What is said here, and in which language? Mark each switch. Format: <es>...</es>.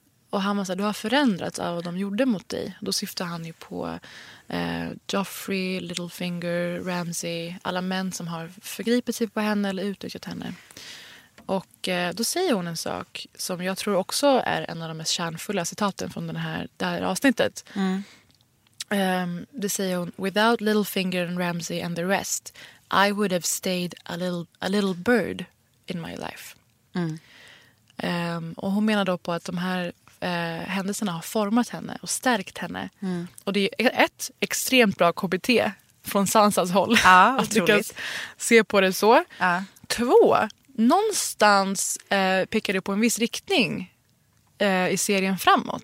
<sv>Och han var så här, du har förändrats av vad de gjorde mot dig. Då syftade han ju på Joffrey, Littlefinger, Ramsay. Alla män som har förgripit sig på henne eller utnyttjat henne. Och då säger hon en sak som jag tror också är en av de mest kärnfulla citaten från det här avsnittet. Mm. Det säger hon,</sv> <en>without Littlefinger and Ramsay and the rest, I would have stayed a little bird in my life. Mm.</en> <sv>Och hon menar då på att de här händelserna har format henne och stärkt henne. Mm. Och det är ett extremt bra KBT från Sansas håll. Ja, att du kan se på det så. Ja. Två, någonstans pekar det på en viss riktning i serien framåt.</sv>